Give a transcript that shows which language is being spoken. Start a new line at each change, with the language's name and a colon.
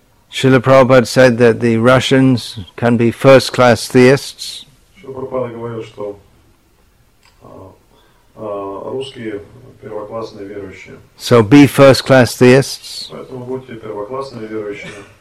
English: Srila Prabhupada said that the Russians can be first-class theists.
Russian: Srila Prabhupada говорил, что русские первоклассные верующие.
English: So be first-class theists.
Russian: Поэтому будьте первоклассными верующими.